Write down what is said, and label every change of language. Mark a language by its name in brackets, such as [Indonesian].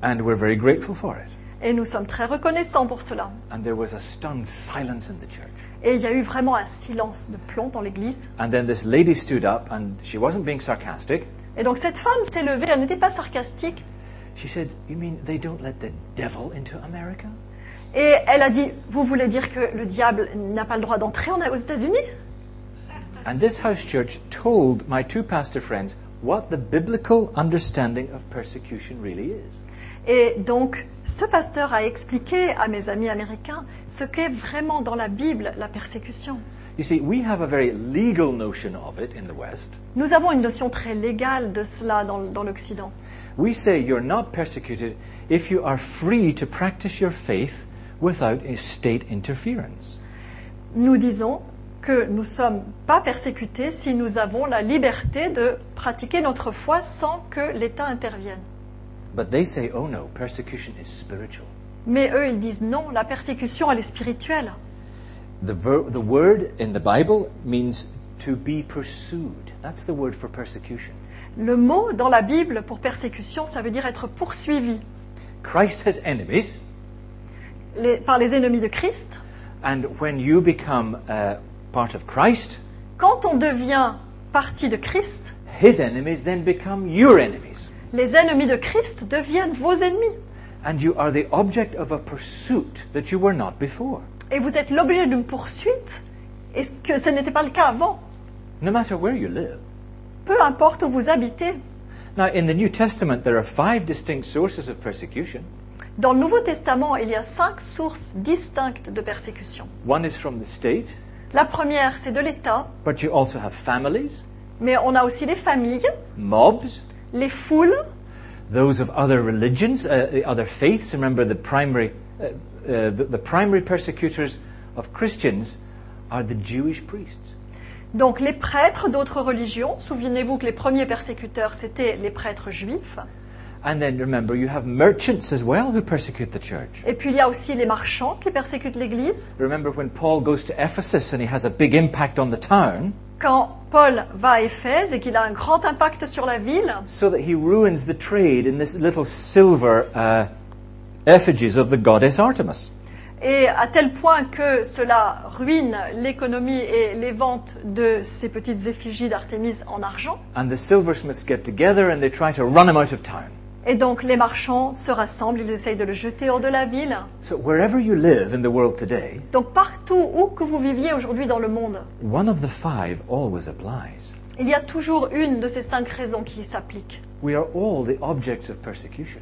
[English] And we're very grateful for it. [French] Et nous sommes très reconnaissants pour cela. [English] And there was a stunned silence in the church. [French] Et il y a eu vraiment un silence de plomb dans l'église. [English] And then this lady stood up and she wasn't being sarcastic. [French] Et donc cette femme s'est levée, elle n'était pas sarcastique. [English] She said, you mean they don't let the devil into America? [French] Et elle a dit, vous voulez dire que le diable n'a pas le droit d'entrer aux États-Unis? [English] And this house church told my two pastor friends what the biblical understanding of persecution really is. [French] Et donc, ce pasteur a expliqué à mes amis américains ce qu'est vraiment dans la Bible la persécution. [English] You see, we have a very legal notion of it in the West. [French] Nous avons une notion très légale de cela dans l'Occident. [English] We say you're not persecuted if you are free to practice your faith without a state interference. [French] Nous disons que nous ne sommes pas persécutés si nous avons la liberté de pratiquer notre foi sans que l'État intervienne. [English] But they say, oh no, persecution is spiritual. [French] Mais eux, ils disent non, la persécution, elle est spirituelle. [English] The word in the Bible means to be pursued. That's the word for persecution. [French] Le mot dans la Bible pour persécution, ça veut dire être poursuivi. [English] Christ has enemies. [French] Par les ennemis de Christ. [English] And when you become part of Christ, [French] quand on devient partie de Christ, [English] his enemies then become your enemies. [French] Les ennemis de Christ deviennent vos ennemis. [English] And you are the object of a pursuit that you were not before. [French] Et vous êtes l'objet d'une poursuite, et que ce n'était pas le cas avant. [English] No matter where you live. [French] Peu importe où vous habitez. [English] Now, in the New Testament, there are five distinct sources of persecution. [French] Dans le Nouveau Testament, il y a cinq sources distinctes de persécution. [English] One is from the state. [French] La première, c'est de l'État. [English] But you also have families. [French] Mais on a aussi des familles. [English] Mobs. [French] Les foules. [English] Those of other religions, other faiths. Remember, the primary persecutors of Christians are the Jewish priests. [French] Donc, les prêtres d'autres religions. Souvenez-vous que les premiers persécuteurs, c'était les prêtres juifs. [English] And then, remember, you have merchants as well who persecute the church. [French] Et puis, il y a aussi les marchands qui persécutent l'Église. [English] Remember when Paul goes to Ephesus and he has a big impact on the town. [French] Quand Paul va à Éphèse et qu'il a un grand impact sur la ville. [English] So that he ruins the trade in this little silver effigies of the goddess Artemis. [French] Et à tel point que cela ruine l'économie et les ventes de ces petites effigies d'Artémis en argent. [English] And the silversmiths get together and they try to run him out of town. [French] Et donc les marchands se rassemblent, ils essayent de le jeter hors de la ville. [English] So wherever you live in the world today, [French] donc partout où que vous viviez aujourd'hui dans le monde, [English] one of the five always applies. [French] Il y a toujours une de ces cinq raisons qui s'applique. [English] We are all the objects of persecution.